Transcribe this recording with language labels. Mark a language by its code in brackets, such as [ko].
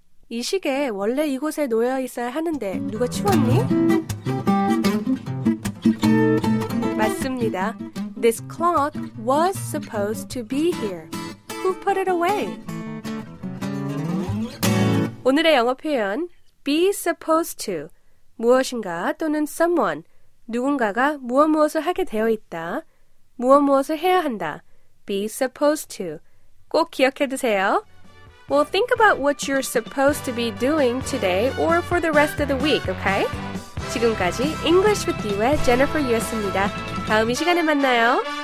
[ko] 이 시계 원래 이곳에 놓여 있어야 하는데 누가 치웠니? 맞습니다. [en] This clock was supposed to be here. Who put it away? [ko] 오늘의 영어 표현 [en] Be supposed to. [ko] 무엇인가 또는 someone. 누군가가 무엇무엇을 하게 되어 있다. 무엇무엇을 해야 한다. [en] Be supposed to. [ko] 꼭 기억해 두세요. [en] Well, think about what you're supposed to be doing today or for the rest of the week, okay? [ko] 지금까지 English with You의 Jennifer 유였습니다. 다음 이 시간에 만나요.